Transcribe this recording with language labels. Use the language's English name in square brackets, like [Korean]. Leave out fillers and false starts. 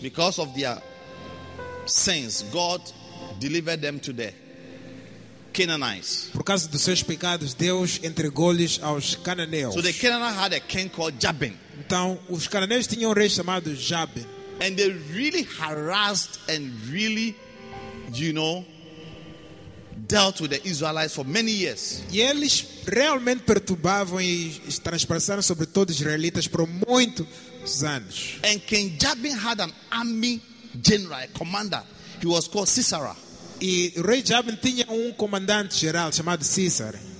[English] Because of their sins, God delivered them to the Canaanites. [Portuguese] Por causa dos seus pecados, Deus entregou-lhes aos cananeus. [English] So the Canaanites had a king called Jabin. [Portuguese] Então os cananeus tinham rei chamado Jabin. [English] And they really harassed and really, you know, dealt with the Israelites for many years. [Portuguese] E eles realmente perturbavam e transpassaram sobre todos os israelitas por muitos anos. [English] And King Jabin had an army general, a commander. He was called Sisera. [Portuguese] E o rei Jabin tinha comandante geral chamado Sisera.